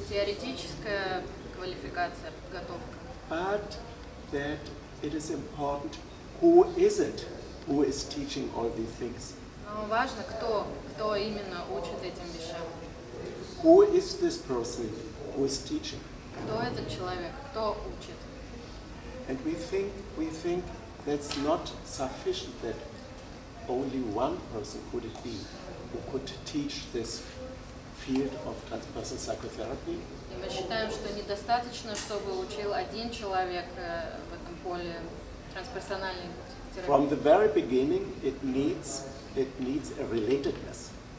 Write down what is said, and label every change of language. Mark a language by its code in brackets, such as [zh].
[ru] теоретическая квалификация, подготовка. [en] But that it is important, who is it who is teaching all these things? [ru] Важно, кто именно учит этим вещам. [en] Who is this person who is teaching? [ru] Кто этот человек? Кто учит? [en] And we think that's not sufficient that only one person could it be. who could teach this field of transpersonal psychotherapy. [ru] И мы считаем, что недостаточно, чтобы учил один человек в этом поле трансперсональной терапии. [en] From the very beginning, it needs a relatedness.